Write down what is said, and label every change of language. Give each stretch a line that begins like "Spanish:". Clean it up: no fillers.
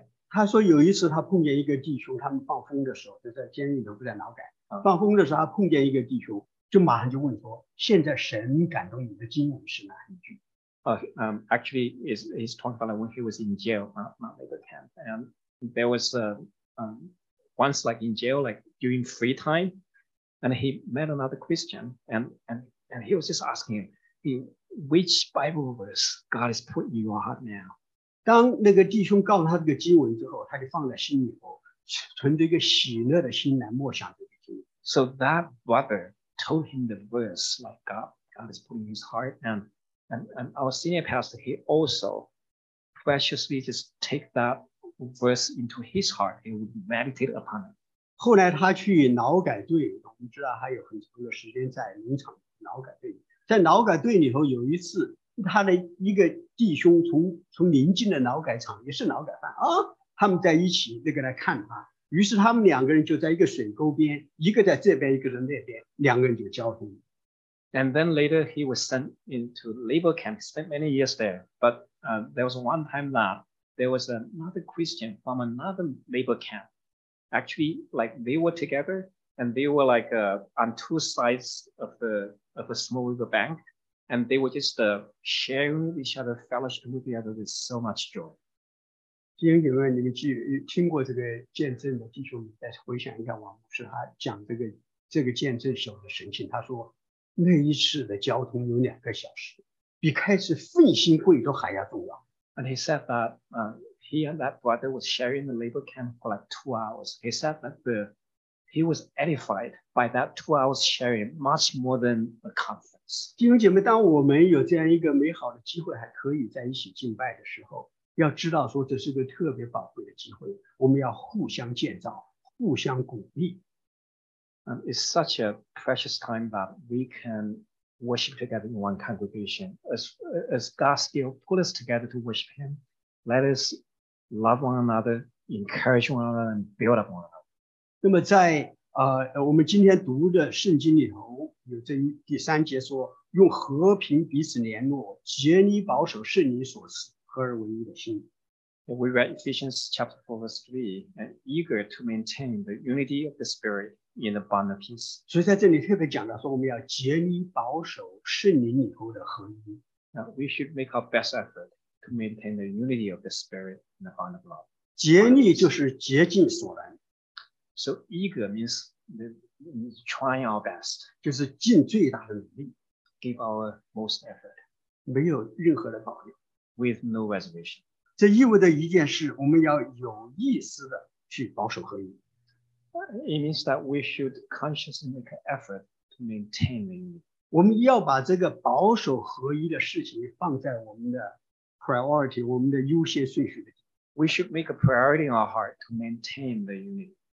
Chinese: 他说有一次他碰见一个弟兄，他们放风的时候，就在监狱里，不在劳改。放风的时候，他碰见一个弟兄，就马上就问说：“现在神感动你的经文是哪一句？”
English: Actually, he's talking about when he was in jail, not labor camp. And there was once like in jail, like during free time, and he met another Christian, and he was just asking him, which Bible verse God has put in your heart now?
Chinese: 当那个弟兄告诉他这个经文之后，他就放在心里头，存着一个喜乐的心来默想这个经文。
English: So that brother told him the verse, like God is putting his heart, and our senior pastor, he also preciously just take that verse into his heart. He would meditate upon it.
Chinese: 后来他去劳改队，我们知道他有很长的时间在农场劳改队。在劳改队里头，有一次他的一个弟兄从邻近的劳改场，也是劳改犯啊，他们在一起那个来看他。于是他们两个人就在一个水沟边，一个在这边，一个在那边，两个人就交通。
English: And then later he was sent into labor camp, spent many years there. But there was one time that there was another Christian from another labor camp. Actually, like they were together and they were like on two sides of a small river bank. And they were just sharing with each other, fellowship with each other with so much joy.
Chinese: 今天有没有你们听过这个见证的弟兄再回想一下王牧师他讲这个见证时候的神情，他说那一次的交通有两个小时，比开始奉新会都还要重要。
English: And he said that he and that brother was sharing the labor camp for like 2 hours. He said that he was edified by that 2 hours sharing much more than a conference.
Chinese: 弟兄姐妹，当我们有这样一个美好的机会，还可以在一起敬拜的时候，要知道说这是个特别宝贵的机会，我们要互相建造，互相鼓励。
English: It's such a precious time that we can worship together in one congregation. As God still put us together to worship Him, let us love one another, encourage one another, and build up one another.
Chinese: 那么在我们今天读的圣经里头有这第三节说，用和平彼此联络，竭力保守圣灵所赐合而为一的心。
English: We read Ephesians chapter 4 verse 3, and eager to maintain the unity of the Spirit in the bond of peace.
Chinese: 所以在这里特别讲到说我们要竭力保守圣灵里头的合一。
English: Now, we should make our best effort to maintain the unity of the Spirit in the bond of love.
Chinese: 竭力就是竭尽所能。
English: So eager means trying our best.
Chinese: 就是尽最大的努力。
English: Give our most effort.
Chinese: 没有任何的保留。
English: With no reservation.
Chinese: 这意味着一件事，我们要有意识的去保守合一。
English: It means that we should consciously make an effort to maintain unity.
Chinese: 我们要把这个保守合一的事情放在我们的 priority, 我们的优先顺序里。
English: We should make a priority in our heart to maintain the unity.